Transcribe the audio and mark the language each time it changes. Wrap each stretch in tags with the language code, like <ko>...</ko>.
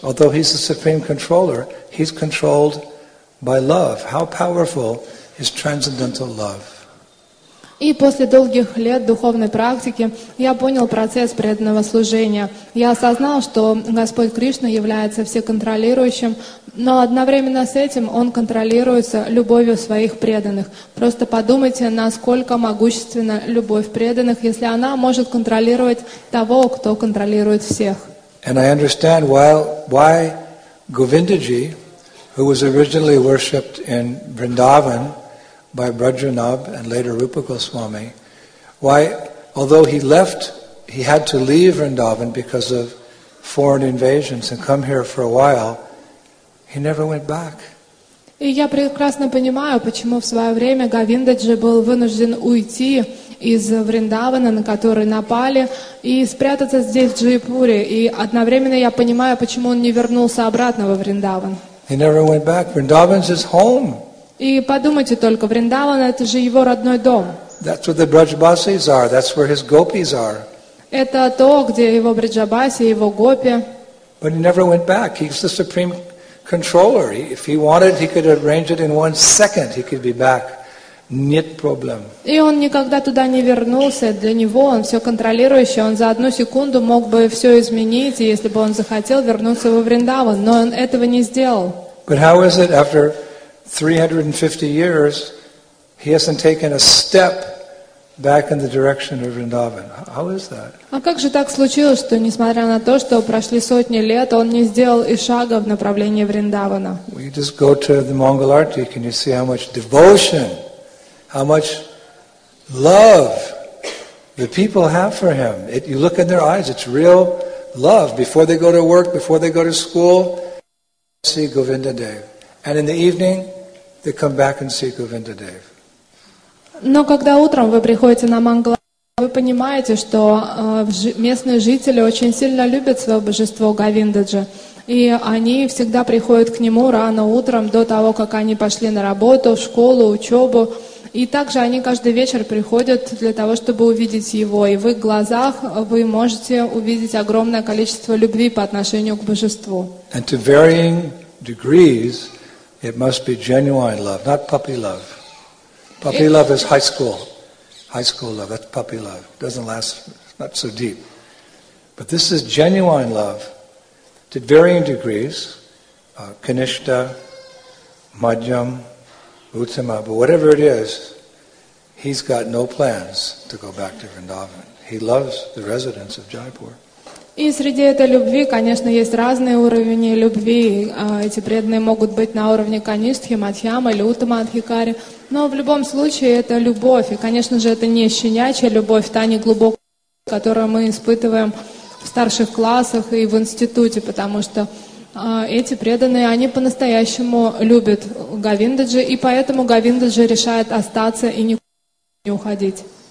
<en>Although he's the supreme controller, he's controlled by love. How powerful is transcendental love?</en> <ru>И после долгих лет духовной практики я понял процесс преданного служения. Я осознал, что Господь Кришна является всеконтролирующим, но одновременно с этим Он контролируется любовью своих преданных. Просто подумайте, насколько могущественна любовь преданных, если она может контролировать того, кто контролирует всех.</ru> <en>And I understand why Govindaji, who was originally worshipped in Vrindavan, by Brajanab and later Rupa Goswami, why, although he left, he had to leave Vrindavan because of foreign invasions and come here for a while, he never went back.</en> <ru>И я прекрасно понимаю, почему в свое время Говиндаджи был вынужден уйти из Вриндавана, на который напали, и спрятаться здесь, в Джайпуре. И одновременно я понимаю, почему он не вернулся обратно во Вриндаван.</ru> <en>He never went back. Vrindavan's his home.</en> <ru>И подумайте только, Вриндаван — это же его родной дом.</ru> <en>That's where the Brajbasis are, that's where his gopis are.</en> <ru>Это то, где его Бриджабаси, его гопи.</ru> <en>But he never went back. He's the supreme controller. If he wanted, he could arrange it in 1 second. He could be back.</en> <ru>Нет проблем. И он никогда туда не вернулся. Для него он все контролирующий. Он за одну секунду мог бы все изменить, если бы он захотел вернуться во Вриндаван. Но он этого не сделал.</ru> <en>But how is it after 350 years he hasn't taken a step back in the direction of Vrindavan? How is that?</en> <ru>А как же так случилось, что несмотря на то, что прошли сотни лет, он не сделал и шага в направлении Вриндавана?</ru> <en>We just go to the Mongol Arctic, can you see how much devotion, how much love the people have for him? It, you look in their eyes, it's real love. Before they go to work, before they go to school, see Govinda Dev. And in the evening, they come back and see Govinda Dev.</en> <ru>Но когда утром вы приходите на Мангалар, вы понимаете, что местные жители очень сильно любят свое божество Говиндаджа. И они всегда приходят к нему рано утром, до того, как они пошли на работу, в школу, учебу. И также они каждый вечер приходят для того, чтобы увидеть его. И в их глазах вы можете увидеть огромное количество любви по отношению к божеству.</ru> <en>And to varying degrees, it must be genuine love, not puppy love. Puppy love is high school. High school love, that's puppy love. It doesn't last, it's not so deep. But this is genuine love to varying degrees, Kanishta, Madhyam, Uttama, but whatever it is, he's got no plans to go back to Vrindavan. He loves the residents of Jaipur.</en> <ru>И среди этой любви, конечно, есть разные уровни любви. Эти преданные могут быть на уровне Канистхи, Мадхьяма или Уттамадхикари. Но в любом случае это любовь. И, конечно же, это не щенячья любовь, та не глубокая, которую мы испытываем в старших классах и в институте, потому что эти преданные, они по-настоящему любят Говиндаджи, и поэтому Говиндаджи решает остаться и никуда не уходить.</ru>